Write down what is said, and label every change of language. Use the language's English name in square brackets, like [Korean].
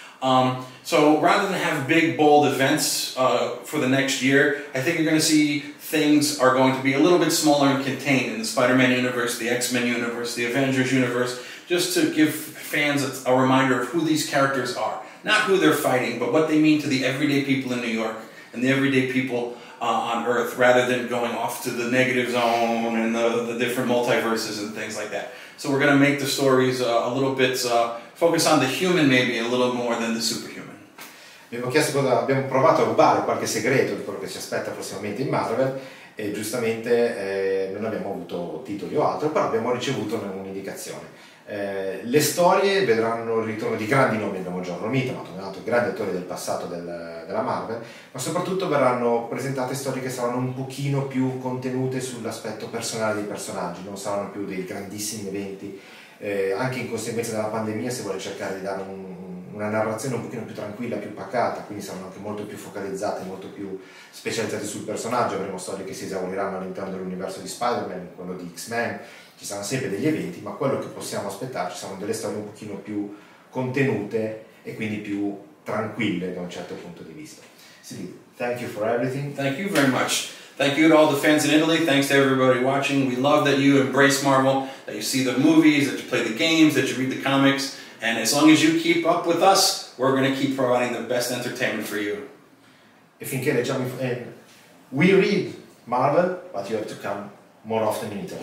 [English] So rather than have big, bold events for the next year, I think you're going to see things are going to be a little bit smaller and contained in the Spider-Man universe, the X-Men universe, the Avengers universe, just to give fans a reminder of who these characters are. Not who they're fighting, but what they mean to the everyday people in New York and the everyday people on Earth, rather than going off to the negative zone and the different multiverses and things like that. So we're going to make the stories a little bit focus on the human, maybe a little more than the superhuman. [Italian] Abbiamo chiesto cosa, abbiamo provato a rubare qualche segreto di quello che ci aspetta prossimamente in Marvel, e giustamente non abbiamo avuto titoli o altro, però abbiamo ricevuto un'indicazione. Le storie vedranno il ritorno di grandi nomi, abbiamo già Romita, ma un altro grande attore del passato della Marvel, ma soprattutto verranno presentate storie che saranno un pochino più contenute sull'aspetto personale dei personaggi, non saranno più dei grandissimi eventi, anche in conseguenza della pandemia si vuole cercare di dare una narrazione un pochino più tranquilla, più pacata, quindi saranno anche molto più focalizzate, molto più specializzate sul personaggio. Avremo storie che si esauriranno all'interno dell'universo di Spider-Man, quello di X-Men. Ci saranno sempre degli eventi, ma quello che possiamo aspettarci saranno delle storie un pochino più contenute e quindi più tranquille da un certo punto di vista. [English] Sì, thank you for everything. Thank you very much. Thank you to all the fans in Italy. Thanks to everybody watching. We love that you embrace Marvel, that you see the movies, that you play the games, that you read the comics. And as long as you keep up with us, we're going to keep providing the best entertainment for you. [Italian] E finché leggiamo, [English] we read Marvel, but you have to come more often in Italy.